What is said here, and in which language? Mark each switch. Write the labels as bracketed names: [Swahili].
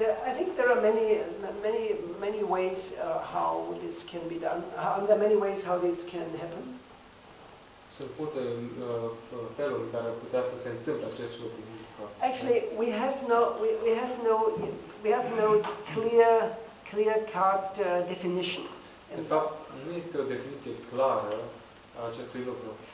[English] I think there are many ways how this can be done. There are many ways how this can happen. [Romanian] Sunt multe feluri care putea să se întâmple acest lucru. [English] Actually, we have no clear-cut definition. [Romanian] De fapt, nu este o definiție clară a acestui lucru.